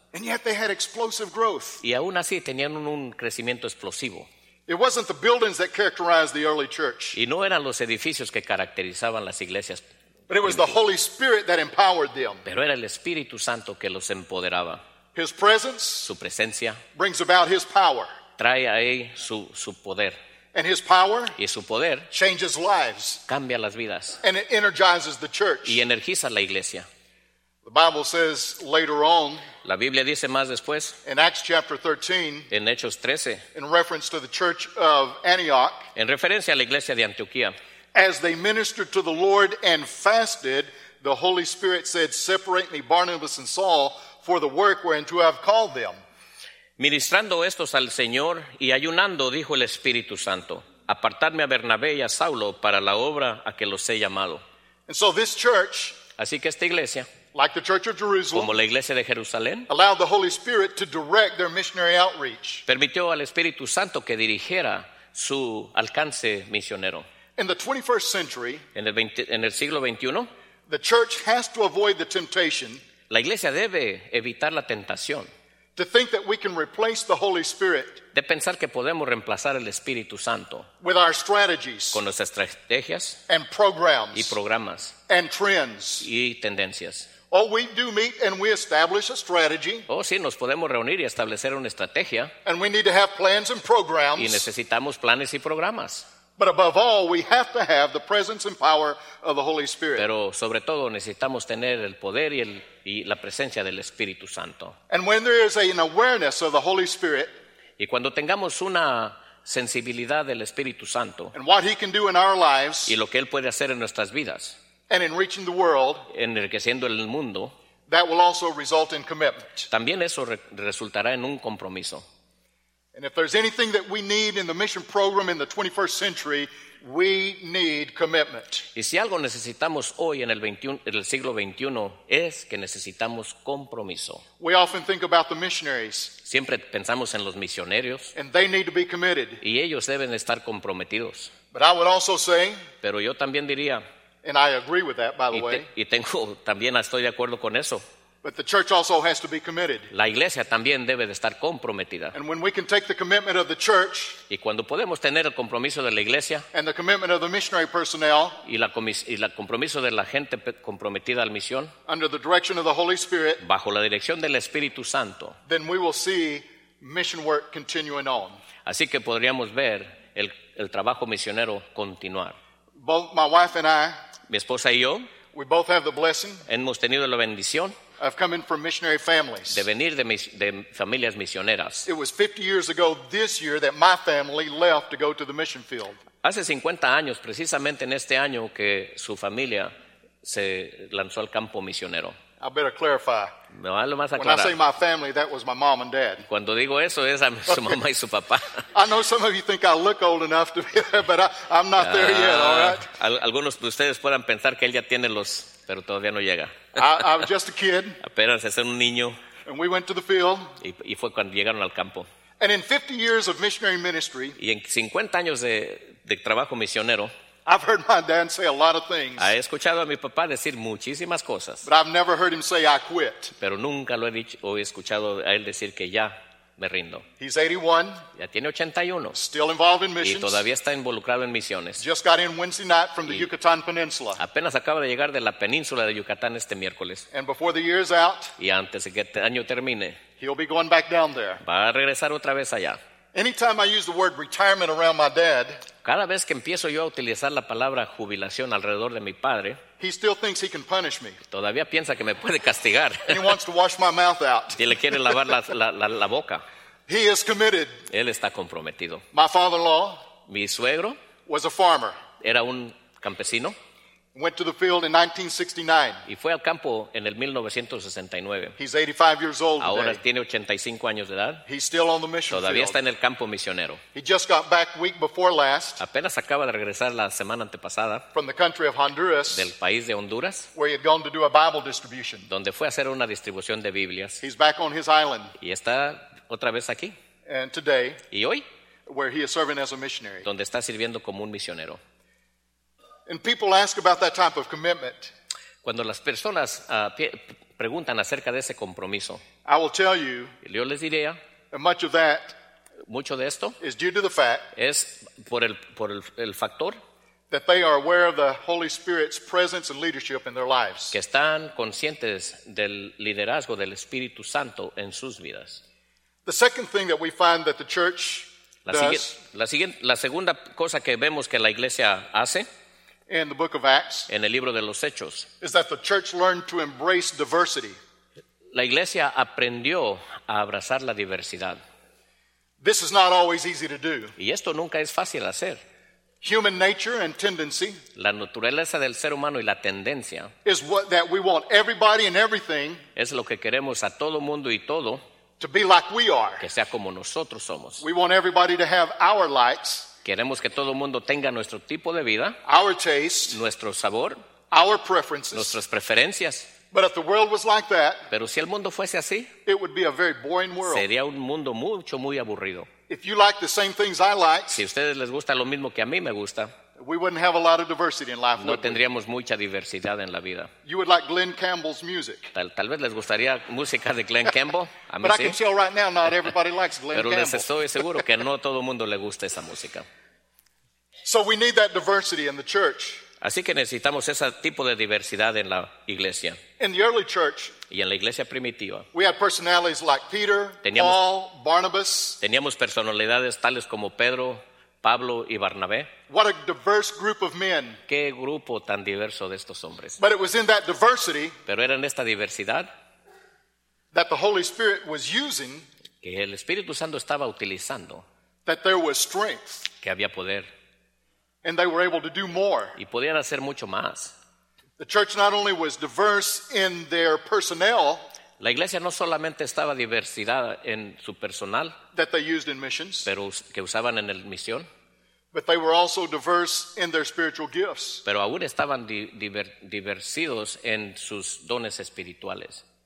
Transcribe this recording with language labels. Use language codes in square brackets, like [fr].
[en] And yet they had explosive growth. [es] Y aún así tenían un crecimiento explosivo. [en] It wasn't the buildings that characterized the early church. [es] Y no eran los edificios que caracterizaban las iglesias. [en] But it was the Holy Spirit that empowered them. [es] Pero era el Espíritu Santo que los empoderaba. [en] His presence, [es] su presencia, [en] brings about his power. [es] Trae a él su poder. [en] And his power, [es] y su poder, [en] changes lives. [es] Cambia las vidas. [en] And it energizes the church. [es] Y energiza la iglesia. [en] The Bible says later on, [es] la Biblia dice más después, [en] in Acts chapter 13, [es] en Hechos 13, [en] in reference to the church of Antioch, [es] en referencia a la iglesia de Antioquía, [en] as they ministered to the Lord and fasted, the Holy Spirit said, separate me Barnabas and Saul for the work whereunto I have called them. [es] Ministrando estos al Señor y ayunando, dijo el Espíritu Santo, apartadme a Bernabé y a Saulo para la obra a que los he llamado. [en] And so this church, [es] así que esta iglesia, [en] like the Church of Jerusalem, [es] como la iglesia de Jerusalén, [en] allowed the Holy Spirit to direct their missionary outreach. [es] Permitió al Espíritu Santo que dirigiera su alcance misionero. [en] In the 21st century, [es] en el siglo 21, [en] the church has to avoid the temptation. [es] La iglesia debe evitar la tentación. [en] To think that we can replace the Holy Spirit. [es] De pensar que podemos reemplazar el Espíritu Santo. [en] With our strategies. [es] Con nuestras estrategias. [en] And programs. [es] Y programas. [en] And trends. [es] Y tendencias. [en] Oh, we do meet and we establish a strategy. [es] Oh, sí, nos podemos reunir y establecer una estrategia. [en] And we need to have plans and programs. [es] Y necesitamos planes y programas. [en] But above all, we have to have the presence and power of the Holy Spirit. [es] Pero sobre todo necesitamos tener el poder y la presencia del Espíritu Santo. [en] And when there is an awareness of the Holy Spirit, [es] y cuando tengamos una sensibilidad del Espíritu Santo, [en] and what he can do in our lives, [es] y lo que él puede hacer en nuestras vidas, [en] and in reaching the world, [es] enriqueciendo el mundo, [en] that will also result in commitment. [es] También eso resultará en un compromiso. [en] And if there's anything that we need in the mission program in the 21st century, we need commitment. [es] Y si algo necesitamos hoy en el siglo 21 es que necesitamos compromiso. [en] We often think about the missionaries. [es] Siempre pensamos en los misioneros. [en] And they need to be committed. [es] Y ellos deben estar comprometidos. [en] But I would also say, [es] pero yo también diría, [en] and I agree with that, by the way. [es] Y tengo también estoy de acuerdo con eso. [en] But the church also has to be committed. [es] La iglesia también debe de estar comprometida. [en] And when we can take the commitment of the church, [es] y cuando podemos tener el compromiso de la iglesia, [en] and the commitment of the missionary personnel, [es] y la compromiso de la gente comprometida a la misión, [en] under the direction of the Holy Spirit, [es] bajo la dirección del Espíritu Santo, [en] then we will see mission work continuing on. [es] Así que podríamos ver el trabajo misionero continuar. [en] Both my wife and I, [es] mi esposa y yo, [en] we both have the blessing, [es] hemos tenido la bendición, [en] I've come in from missionary families. [es] De venir de familias misioneras. [en] It was 50 years ago this year that my family left to go to the mission field. [es] Hace 50 años, precisamente en este año, que su familia se lanzó al campo misionero. [en] I better clarify. [es] No, hablo más aclarar. [en] When I say my family, that was my mom and dad. [es] Cuando digo eso, es a su mamá y su papá. [en] I know some of you think I look old enough to be there, but I'm not there yet, all right? [es] Algunos de ustedes puedan pensar que él ya tiene los... Pero todavía no llega. [en] I was just a kid. [es] Apenas es un niño. [en] And we went to the field. [es] Y fue cuando llegaron al campo. [en] And in 50 years of missionary ministry, [es] y en 50 años de trabajo misionero, [en] I've heard my dad say a lot of things. [es] He escuchado a mi papá decir muchísimas cosas. [en] But I've never heard him say I quit. [es] Pero nunca lo he escuchado a él decir que ya me rindo. [en] He's 81. [es] Ya tiene 81. [en] Still involved in missions. [es] Y todavía está involucrado en misiones. [en] Just got in Wednesday night from the Yucatan Peninsula. [es] Apenas acaba de llegar de la península de Yucatán este miércoles. [en] And before the year's out, [es] y antes de que el año termine, [en] he'll be going back down there. [es] Va a regresar otra vez allá. [en] Anytime I use the word retirement around my dad, [es] cada vez que empiezo yo a utilizar la palabra jubilación alrededor de mi padre, [en] he still thinks he can punish me. [es] Todavía piensa que me puede castigar. [en] And he wants to wash my mouth out. [es] Y le quiere lavar la boca. [en] He is committed. [es] Él está comprometido. [en] My father-in-law, [es] mi suegro, [en] was a farmer. [es] Era un campesino. [en] went to the field in 1969. [es] Y fue al campo en el 1969. [en] He's 85 years old. [es] Ahora [en] today. [es] Tiene 85 años de edad. [en] He's still on the mission [es] Todavía [en] field. [es] Está en el campo misionero. [en] He just got back week before last. [es] Apenas acaba de regresar la semana antepasada. [en] From the country of Honduras. [es] Del país de Honduras. [en] Where he had gone to do a Bible distribution. [es] Donde fue a hacer una distribución de Biblias. [en] He's back on his island. [es] Y está otra vez aquí. [en] And today. [es] Y hoy. [en] Where he is serving as a missionary. [es] Donde está sirviendo como un misionero. [en] And people ask about that type of commitment. [es] Cuando las personas preguntan acerca de ese compromiso, [en] I will tell you, [es] yo les diría, [en] much of that, [es] mucho de esto, [en] is due to the fact, [es] es por el factor, [en] that they are aware of the Holy Spirit's presence and leadership in their lives. [es] Que están conscientes del liderazgo del Espíritu Santo en sus vidas. [en] The second thing that we find that the church does, [es] la segunda cosa que vemos que la iglesia hace. [en] In the book of Acts, [es] en el libro de los Hechos, [en] is that the church learned to embrace diversity. [es] La iglesia aprendió a abrazar la diversidad. [en] This is not always easy to do. [es] Y esto nunca es fácil hacer. [en] Human nature and tendency, [es] la naturaleza del ser humano y la tendencia, [en] is what that we want everybody and everything, [es] es lo que queremos a todo mundo y todo, [en] to be like we are, [es] que sea como nosotros somos. [en] We want everybody to have our likes. [es] Queremos que todo el mundo tenga nuestro tipo de vida, [en] our taste, [es] nuestro sabor, [en] our preferences, [es] nuestras preferencias. [en] But if the world was like that, [es] pero si el mundo fuese así, [en] it would be a very boring world. [es] Sería un mundo mucho muy aburrido. [en] If you like the same things I like, [es] si a ustedes les gusta lo mismo que a mí me gusta, [en] we wouldn't have a lot of diversity in life, [es] no tendríamos mucha diversidad en la vida. [en] You would like Glen Campbell's music. [es] Tal vez les gustaría música de Glen Campbell. A mí [en] but [es] sí. [en] I can tell right now, not everybody likes Glen [es] pero [en] Campbell. [es] Pero les estoy seguro que no todo mundo le gusta esa música. [en] So we need that diversity in the church. [es] Así que necesitamos ese tipo de diversidad en la iglesia. [en] In the early church, [es] y en la iglesia primitiva, [en] we had personalities like Peter, Paul, Barnabas. [es] Teníamos personalidades tales como Pedro, Pablo y Barnabé. [en] What a diverse group of men. [es] Qué grupo tan diverso de estos hombres. [en] But it was in that diversity, [es] pero era en esta diversidad, [en] that the Holy Spirit was using, [es] que el Espíritu Santo estaba utilizando, [en] that there was strength, [es] que había poder, [en] and they were able to do more. [es] Y podían hacer mucho más. [en] The church not only was diverse in their personnel, [es] la iglesia no solamente estaba diversidad en su personal, [en] that they used in missions, [es] pero que usaban en el misión, [en] but they were also diverse in their spiritual gifts, [es] pero aún estaban diversidos en sus dones espirituales.